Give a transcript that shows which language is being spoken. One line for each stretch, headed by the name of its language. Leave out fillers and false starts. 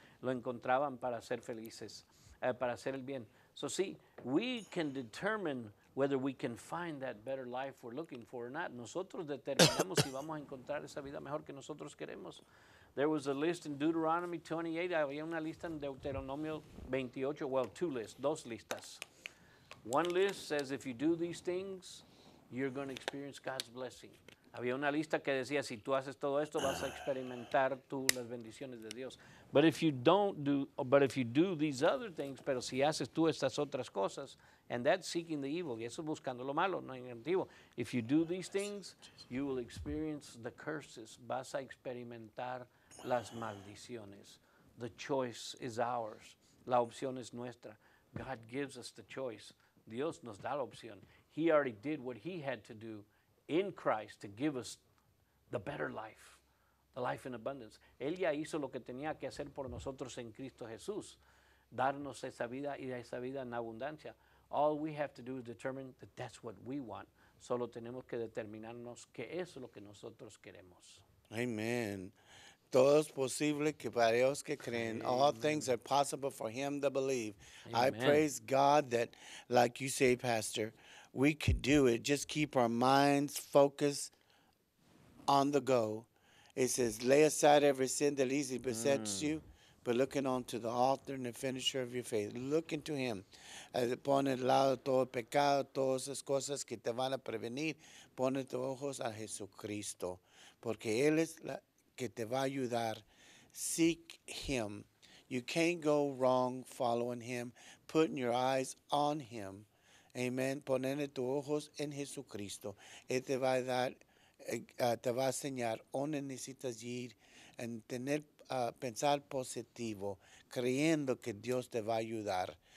Spanish: Lo encontraban para ser felices, para hacer el bien.
English: So see, we can determine whether we can find that better life we're looking for or not.
Spanish: Nosotros determinamos si vamos a encontrar esa vida mejor que nosotros queremos.
English: There was a list in Deuteronomy 28.
Spanish: Había una lista en Deuteronomio 28. Well, dos listas.
English: One list says if you do these things, you're going to experience God's blessing.
Spanish: Había una lista que decía, si tú haces todo esto, vas a experimentar tú las bendiciones de Dios.
English: But if you don't do, but if you do these other things,
Spanish: pero si haces tú estas otras cosas,
English: and that's seeking the evil,
Spanish: y eso es buscando lo malo, no negativo.
English: If you do these things, you will experience the curses.
Spanish: Vas a experimentar las maldiciones.
English: The choice is ours.
Spanish: La opción es nuestra.
English: God gives us the choice.
Spanish: Dios nos da la opción.
English: He already did what he had to do in Christ to give us the better life, the life in abundance.
Spanish: Él ya hizo lo que tenía que hacer por nosotros en Cristo Jesús, darnos esa vida y esa vida en abundancia.
English: All we have to do is determine that that's what we want.
Spanish: Solo tenemos que determinarnos qué es lo que nosotros queremos.
English: Amen.
Spanish: Todo es posible que para ellos que creen.
English: Amen. All things are possible for him to believe. Amen. I praise God that, like you say, Pastor, we could do it. Just keep our minds focused on the go. It says, lay aside every sin that easily besets you, but looking on to the author and the finisher of your faith. Look into him.
Spanish: Pon el lado todo pecado, todas esas cosas que te van a prevenir. Pon tus ojos a Jesucristo. Porque él es la que te va a ayudar.
English: Seek him. You can't go wrong following him, putting your eyes on him.
Spanish: Amen. Ponerle tus ojos en Jesucristo. Él te va a dar, te va a enseñar dónde necesitas ir, en tener, pensar positivo, creyendo que Dios te va a ayudar.